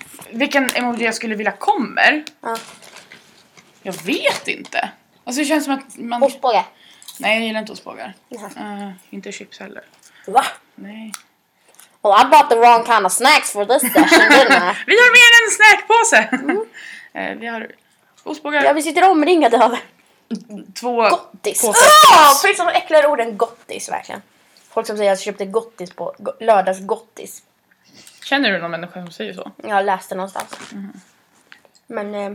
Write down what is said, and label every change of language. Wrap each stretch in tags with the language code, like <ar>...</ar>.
<sv>Vilken emoji jag skulle vilja kommer? Jag vet inte. Alltså det känns som att man... Ostbåge. Nej, jag gillar inte ostbågar. Inte chips heller. Va? Nej.</sv> <en>Well, I bought the wrong kind of snacks for this session, didn't I?</en> <sv>Vi har mer än en snackpåse. Vi har ostbågar. Ja, vi sitter omringade av... två gottis. Gottis. Finns det några äckligare ord än gottis, verkligen? Folk som säger att jag köpte gottis på lördags gottis. Känner du någon människa som säger så? Jag läste någonstans. Men...</sv>